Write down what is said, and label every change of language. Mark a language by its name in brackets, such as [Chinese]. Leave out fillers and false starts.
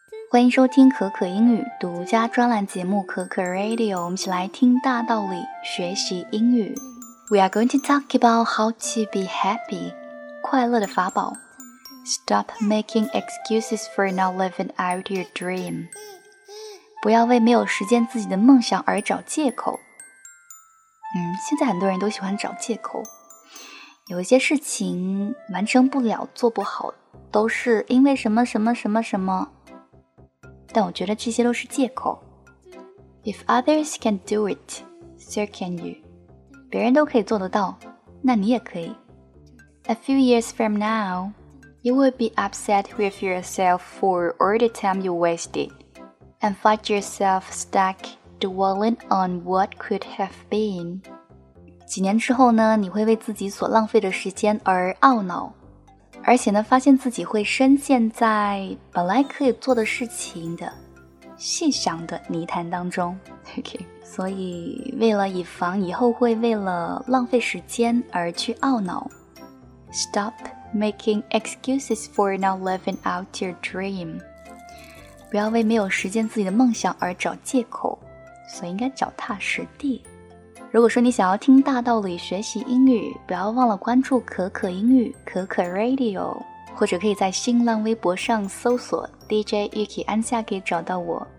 [Chinese] 欢迎收听可可英语独家专栏节目可可 Radio， 我们一起来听大道理学习英语。 [English] We are going to talk about how to be happy， [Chinese] 快乐的法宝。 [English] Stop making excuses for not living out your dream， [Chinese] 不要为没有实现自己的梦想而找借口。现在很多人都喜欢找借口，有一些事情完成不了，做不好，都是因为什么什么什么什么，但我觉得这些都是借口。 [English] If others can do it, so can you. [Chinese] 别人都可以做得到，那你也可以。 [English] A few years from now, you will be upset with yourself for all the time you wasted, and find yourself stuck dwelling on what could have been. [Chinese] 几年之后呢，你会为自己所浪费的时间而懊恼，而且呢，发现自己会深陷在本来可以做的事情的细想的泥潭当中。 [English] Okay. [Chinese] 所以为了以防以后会为了浪费时间而去懊恼， [English] Stop making excuses for not living out your dream. [Chinese] 不要为没有实现自己的梦想而找借口，所以应该脚踏实地。如果说你想要听大道理学习英语，不要忘了关注可可英语可可 Radio， 或者可以在新浪微博上搜索 DJ Yuki 安夏，可以找到我。